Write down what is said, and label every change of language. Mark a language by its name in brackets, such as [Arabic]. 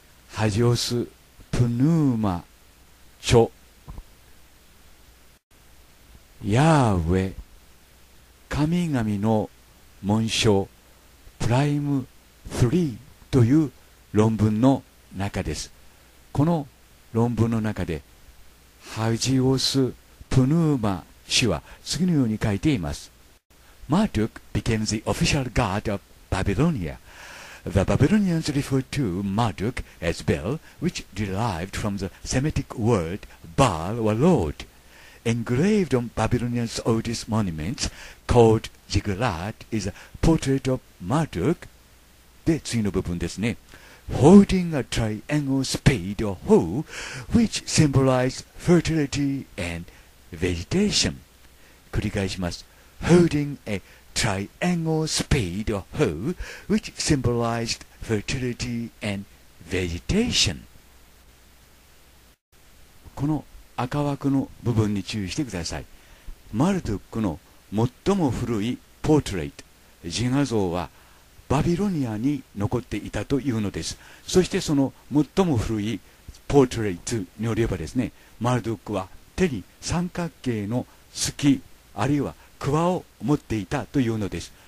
[Japanese] ハジオス・プヌーマ著、ヤーウェ、神々の紋章プライム3という論文の中です。この論文の中でハジオス・プヌーマ氏は次のように書いています。 [English] Marduk became the official god of Babylonia. The Babylonians referred to Marduk as Bel, which derived from the Semitic word Baal or Lord. Engraved on Babylonia's oldest monuments called Ziggurat is a portrait of Marduk. [Japanese] で、次の部分ですね。 [English] Holding a triangle spade or hoe, which symbolized fertility and vegetation. [Japanese] 繰り返します。 [English] Holding a triangle spade or hoe, which symbolized fertility and vegetation. [Japanese] この赤枠の部分に注意してください。マルドックの最も古いポートレート、自画像はバビロニアに残っていたというのです。そしてその最も古いポートレートによればですね、マルドックは手に三角形の鋤あるいは鍬を持っていたというのです。